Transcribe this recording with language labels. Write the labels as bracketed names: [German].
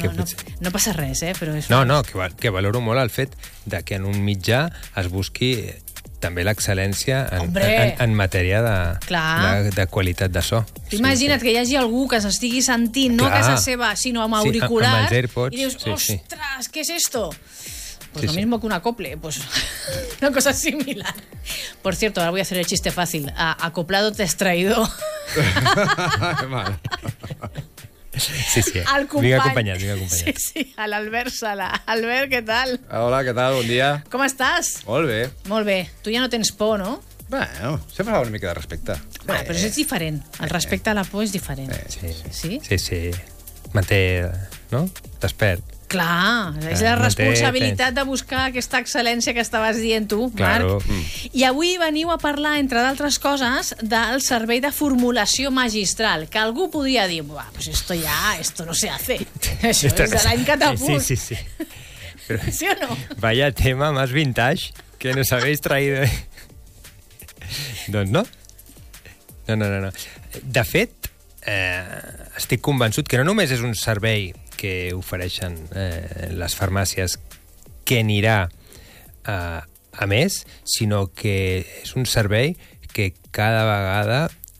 [Catalan] que potser... no passa res, eh? Però és... No, que valoro molt el fet de que en un mitjà es busqui... també l'excel·lència en matèria de qualitat de so. Imagina't que hi hagi algú que s'estigui sentint, clar, no a casa seva, sinó amb auricular, amb els AirPods, i dius, sí, ostres, sí. Què és esto? [Spanish] Pues sí, lo mismo que un acople, pues una cosa similar. Por cierto, ahora voy a hacer el chiste fácil. Acoplado te has traído. Vale. Sí, sí. [Catalan] Al company. Vinc acompanyat. Sí, sí, a l'Albert Sala. Albert, què tal? Hola, què tal? Bon dia. Com estàs? Molt bé. Molt bé. Tu ja no tens por, no? Bueno, sempre fa una mica de respecte. Bueno, però és diferent. El respecte a la por és diferent. Sí. Manté, no? T'espert. Clar, és la responsabilitat de buscar aquesta excel·lència que estaves dient tu, Marc. [Spanish] Claro. [Catalan] I avui veniu a parlar, entre d'altres coses, del servei de formulació magistral, que algú podria dir, [Spanish] pues esto ya, esto no se hace. [Catalan] Això esto és de l'any catapult. Sí. Però, sí o no? [Spanish] Vaya tema más vintage que nos habéis traído. [Catalan] Doncs no. No. De fet, estic convençut que no només és un servei que ofereixen les farmàcies que anirà a més, sinó que és un servei que cada vegada